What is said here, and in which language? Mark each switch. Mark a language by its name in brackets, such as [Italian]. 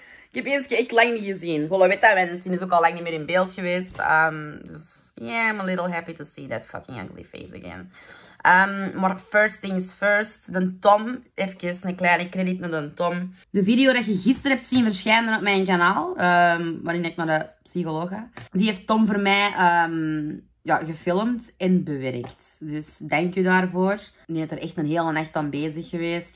[Dutch] Ik heb Jenske echt lang niet gezien. Goh, weet dat, want ze is ook al lang niet meer in beeld geweest. [English] Dus yeah, I'm a little happy to see that fucking ugly face again. [Dutch] Maar [English] first things first, [Dutch] de Tom. Even een kleine krediet naar de Tom. De video dat je gisteren hebt zien verschijnen op mijn kanaal, waarin ik naar de psycholoog ga, die heeft Tom voor mij gefilmd en bewerkt. Dus dank u daarvoor. Die is er echt een hele nacht aan bezig geweest.